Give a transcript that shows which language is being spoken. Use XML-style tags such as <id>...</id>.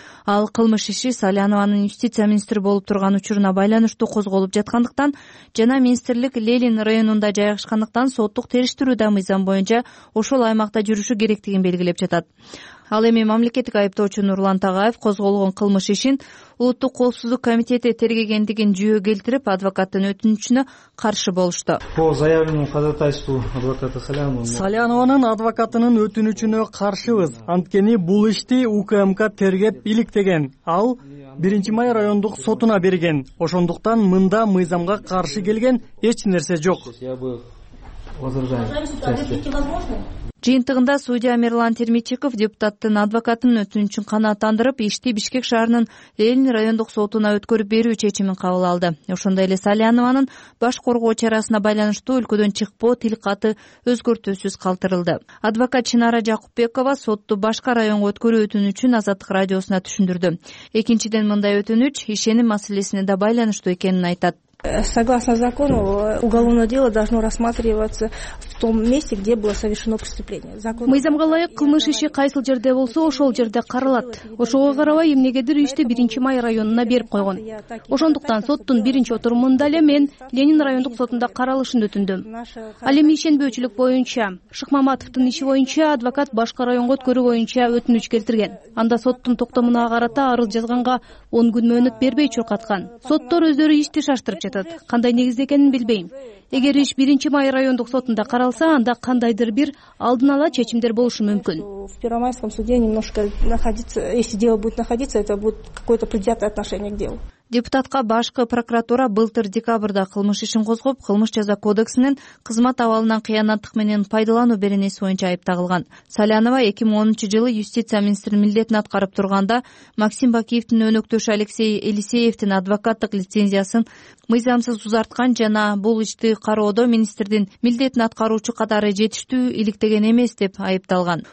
<ky>Ал кылмыш иши Салянованын юстиция министри болуп турган учуруна байланыштуу козголуп жаткандыктан жана министрлик Ленин районунда жайгашкандыктан соттук териштирүү да мыйзам боюнча ошол аймакта жүрүшү керектигин белгилеп жатат. Ал эми мамлекеттик айыптоочу Нурлан Тагаев козголгон кылмыш ишин Улуттук коопсуздук комитети тергегендигин жүйө келтирип, адвокаттын өтүнүчүнө каршы болушту.</ky> <ru>По заявленному ходатайству адвоката Саляновой.</ru> <ky>Саляновонун адвокатынын өтүнүчүнө каршыбыз. Анткени бул ишти УКМК тергеп иликтеген. Ал 1-май райондук сотуна берген. Ошондуктан мында мыйзамга каршы келген эч нерсе жок. Жыйынтыгында судья Мирлан Термичиков депутаттын адвокатынын өтүнүчүн канааттандырып, ишти Бишкек шаарынын Ленин райондук сотуна өткөрүп берүү чечимин кабыл алды. Ошондой эле Саляновонун баш коргоо чарасына байланыштуу өлкөдөн чыкпоо тил каты өзгөртүүсүз калтырылды. Адвокат Чынара Жакупбекова сотту башка районго өткөрүү өтүнүчүн Азаттык радиосуна түшүндүрдү. Экинчиден мындай өтүнүч ишеним маселесине да байланыштуу экенин айтат.</ky> <ru>Согласно закону, уголовное дело должно рассматриваться в том месте, где было совершено преступление. Закон.</ru> <ky>Мыйзамга ылайык кылмыш иши кайсыл жерде болсо, ошол жерде карылат. Ошого карабай эмнегедир ишти 1-май районуна берип койгон. Ошондуктан соттун биринчи отурумунда эле мен Ленин райондук сотунда каралышын өтүндүм. Ал эми ишенбөөчүлүк боюнча Шыкмаматовдун иши боюнча адвокат башка районго өткөрүү боюнча өтүнүч келтирген. Анда соттун токтомуна карата арыз жазганга 10 күн мөөнөт бербей чуркаткан. Соттор өздөрү ишти шаштырып жатат. Кандай негизде экенин билбейм. Эгер иш 1-май райондук сотунда каралса, анда кандайдыр бир алдын ала чечимдер болушу мүмкүн.</ky> <ru>В Первомайском суде немножко находиться, если дело будет находиться, это будет какое-то предвзятое отношение к делу.</ru> <ky>Депутатка башкы прокуратура былтыр декабрда кылмыш ишин козгоп, кылмыш жаза кодексинин кызмат абалынан кыянаттык менен пайдалануу беренеси боюнча айып тагылган. Салянова 2010 жылы юстиция министринин милдетин аткарып турганда Максим Бакиевдин өнөктөшү Алексей Элисеевдин адвокаттык лицензиясын мыйзамсыз узарткан жана бул ишти кароодо министрдин милдетин аткаруучу катары жетиштүү иликтеген эмес деп айыпталган.</ky>